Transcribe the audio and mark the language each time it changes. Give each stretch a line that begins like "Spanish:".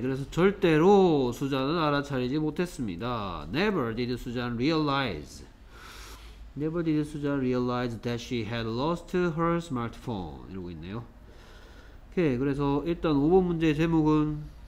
Korean: 그래서 절대로 수잔은 알아차리지 못했습니다.
English: Never did Susan realize. Never did Susan realize that she had lost her smartphone.
Korean: 이러고 있네요. 오케이. 그래서 일단 5번 문제 제목은